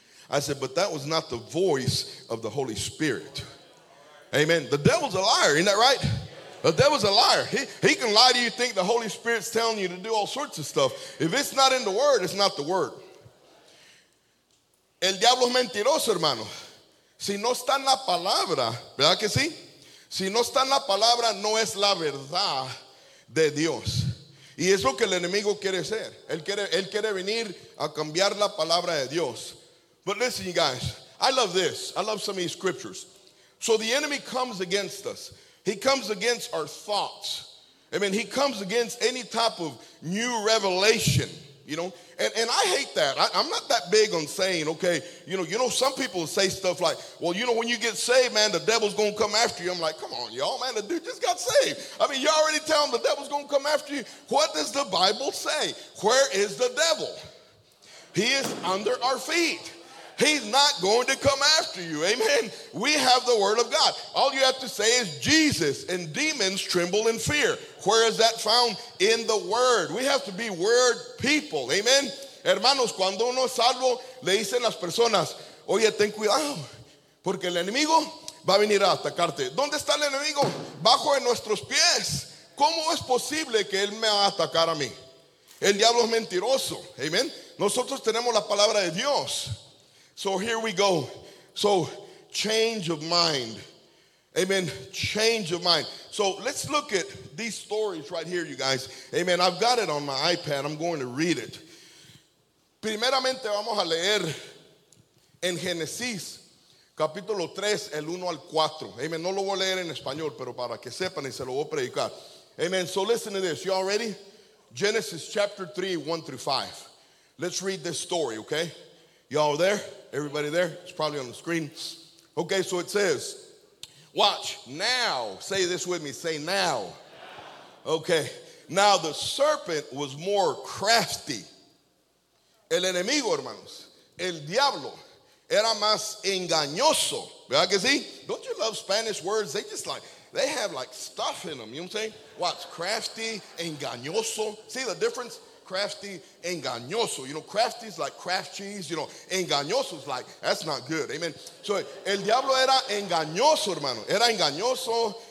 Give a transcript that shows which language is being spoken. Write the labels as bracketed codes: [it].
[en] I said, but that was not the voice of the Holy Spirit. Amen. The devil's a liar. Isn't that right? The devil's a liar. He can lie to you, think the Holy Spirit's telling you to do all sorts of stuff. If it's not in the word, it's not the word. [es] El diablo es mentiroso, hermano. Si no está en la palabra, ¿verdad que sí? Si no está en la palabra, no es la verdad de Dios. Y es lo que el enemigo quiere hacer. Él quiere venir a cambiar la palabra de Dios. [en] But listen, you guys, I love this. I love some of these scriptures. So the enemy comes against us. He comes against our thoughts. I mean, he comes against any type of new revelation, you know. And I hate that. I'm not that big on saying, okay, you know, some people say stuff like, well, you know, when you get saved, man, the devil's going to come after you. I'm like, come on, y'all, man, the dude just got saved. I mean, you're already telling the devil's going to come after you. What does the Bible say? Where is the devil? He is under our feet. He's not going to come after you. Amen. We have the word of God. All you have to say is Jesus, and demons tremble in fear. Where is that found? In the word. We have to be word people. Amen. [es] Hermanos, cuando uno es salvo, le dicen las personas, oye, ten cuidado, porque el enemigo va a venir a atacarte. ¿Dónde está el enemigo? Bajo de nuestros pies. ¿Cómo es posible que él me va a atacar a mí? El diablo es mentiroso. Amen. Nosotros tenemos la palabra de Dios. [en] So here we go. So change of mind. Amen. Change of mind. So let's look at these stories right here, you guys. Amen. I've got it on my iPad. I'm going to read it. [es] Primeramente vamos a leer en Génesis capítulo 3, el 1 al 4. Amen. No lo voy a leer en español, pero para que sepan y se lo voy a predicar. [en] Amen. So listen to this. Y'all ready? Genesis chapter 3, 1 through 5. Let's read this story, okay? Y'all there? Everybody there? It's probably on the screen. Okay, so it says, watch, now, say this with me, say now. Okay, now the serpent was more crafty. [es] El enemigo, hermanos, el diablo, era más engañoso. ¿Verdad que sí? [en] Don't you love Spanish words? They just like, they have like stuff in them, you know what I'm saying? Watch, crafty, engañoso. See the difference? Crafty, engañoso. You know, crafty is like craft cheese. You know, engañoso is like, that's not good. [es] Amen. So, el diablo era engañoso, hermano. Era engañoso.